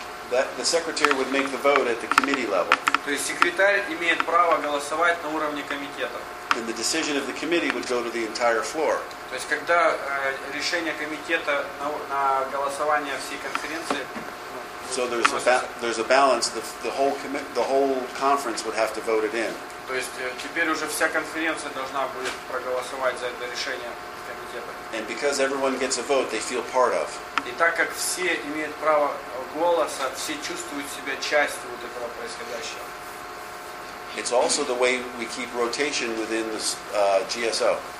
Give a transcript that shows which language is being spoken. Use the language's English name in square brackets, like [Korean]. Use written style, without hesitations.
[English] The secretary would make the vote at the committee level. [Russian] То есть секретарь имеет право голосовать на уровне комитета. [English] Then the decision of the committee would go to the entire floor. [Russian] То есть когда решение комитета на голосование всей конференции. [English] So there's a balance. The whole conference would have to vote it in. [Russian] То есть теперь уже вся конференция должна будет проголосовать за это решение комитета. [English] And because everyone gets a vote, they feel part of. [Russian] И так как все имеют право голоса, все чувствуют себя частью вот этого происходящего. [English] It's also the way we keep rotation within the GSO.